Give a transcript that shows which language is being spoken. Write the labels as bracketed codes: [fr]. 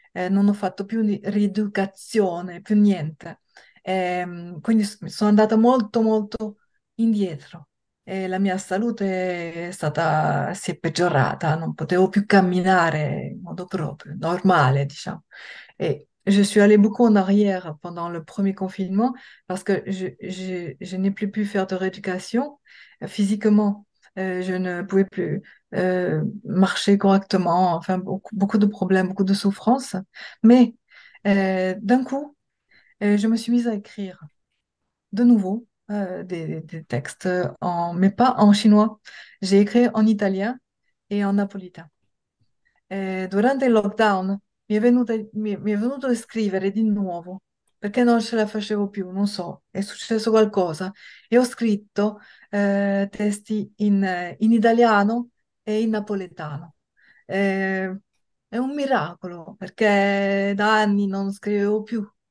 [it] Non ho fatto più rieducazione, più niente. Quindi sono andata molto, molto indietro. E la mia salute si è peggiorata. Non potevo più camminare in modo proprio, normale, diciamo. [fr] E je suis allée beaucoup en arrière pendant le premier confinement parce que je n'ai plus pu faire de rééducation physiquement. Je ne pouvais plus marcher correctement, enfin beaucoup, beaucoup de problèmes, beaucoup de souffrances. Mais d'un coup, je me suis mise à écrire de nouveau des textes, mais pas en chinois. J'ai écrit en italien et en napolitain. [it] Durante il lockdown, mi è venuto a scrivere di nuovo, perché non ce la facevo più, non so, è successo qualcosa. E ho scritto testi in italiano e in napoletano. È un miracolo perché da anni non scrivevo più.